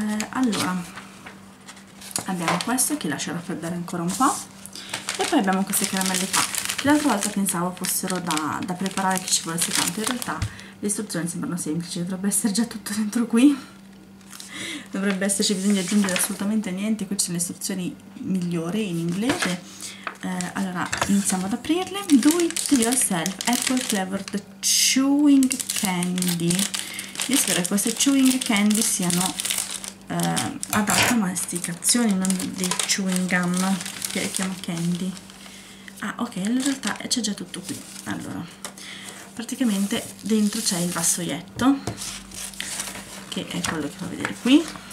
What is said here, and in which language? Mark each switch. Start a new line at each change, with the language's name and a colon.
Italian: Allora abbiamo questo, che lascio raffreddare ancora un po', e poi abbiamo queste caramelle qua, che l'altra volta pensavo fossero da preparare, che ci volesse tanto. In realtà le istruzioni sembrano semplici, dovrebbe essere già tutto dentro qui, dovrebbe esserci bisogno di aggiungere assolutamente niente. Qui ci sono le istruzioni migliori in inglese. Allora iniziamo ad aprirle.
English: Do it yourself apple flavored chewing candy.
Italian: Io spero che queste chewing candy siano adatte a masticazione, non dei chewing gum, che chiamo candy. Ah, ok, in realtà c'è già tutto qui. Allora, praticamente dentro c'è il vassoietto, che è quello che fa vedere qui.